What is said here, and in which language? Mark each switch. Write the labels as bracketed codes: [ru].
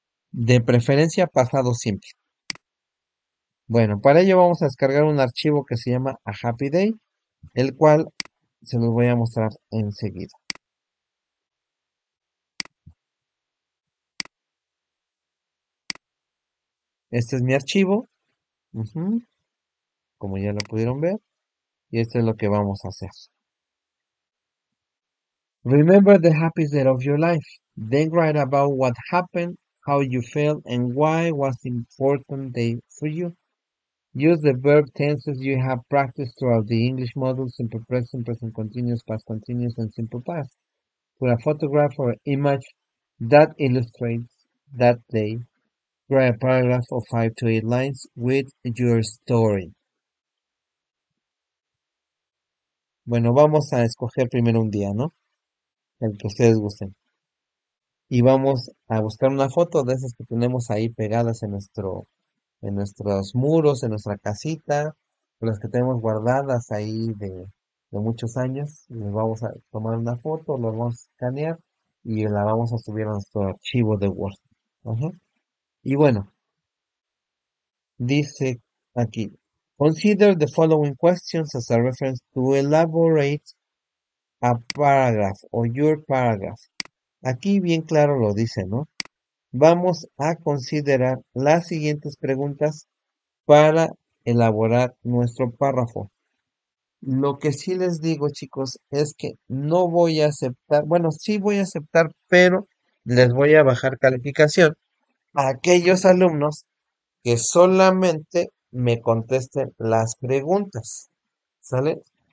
[es] De preferencia, pasado simple. Bueno, para ello vamos a descargar un archivo que se llama A Happy Day, el cual se los voy a mostrar enseguida. Este es mi archivo, como ya lo pudieron ver, y esto es lo que vamos a hacer. [en] Remember the happiest day of your life. Then write about what happened, how you felt, and why was important day for you. Use the verb tenses you have practiced throughout the English modules, simple present continuous, past continuous, and simple past. Put a photograph or image that illustrates that day. Write a paragraph of 5 to 8 lines with your story. [es] Bueno, vamos a escoger primero un día, ¿no? El que ustedes gusten. Y vamos a buscar una foto de esas que tenemos ahí pegadas en nuestros muros, en nuestra casita, las que tenemos guardadas ahí de muchos años. Les vamos a tomar una foto, lo vamos a escanear y la vamos a subir a nuestro archivo de Word. Y bueno, dice aquí, [en] consider the following questions as a reference to elaborate a paragraph or your paragraph. [es] Aquí bien claro lo dice, ¿no? Vamos a considerar las siguientes preguntas para elaborar nuestro párrafo. Lo que sí les digo, chicos, es que no voy a aceptar, bueno, sí voy a aceptar, pero les voy a bajar calificación a aquellos alumnos que solamente me contesten las preguntas. ¿Sale?